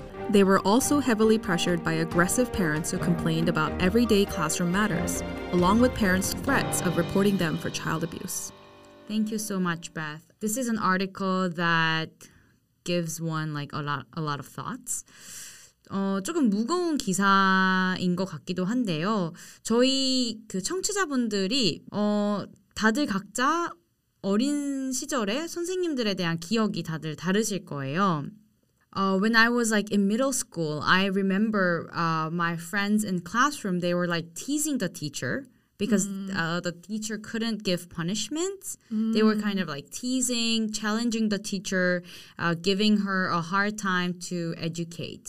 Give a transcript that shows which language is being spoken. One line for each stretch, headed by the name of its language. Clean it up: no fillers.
English: They were also heavily pressured by aggressive parents who complained about everyday classroom matters, along with parents' threats of reporting them for child abuse. Thank you so much, Beth. This is an article that gives one like a lot of thoughts.
Korean: 조금 무거운 기사인 것 같기도 한데요. 저희 그 청취자분들이 다들 각자 어린 시절에 선생님들에 대한 기억이 다들 다르실 거예요.
English: When I was like in middle school, I remember my friends in classroom, they were like teasing the teacher because the teacher couldn't give punishments. They were kind of like teasing, challenging the teacher, giving her a hard time to educate.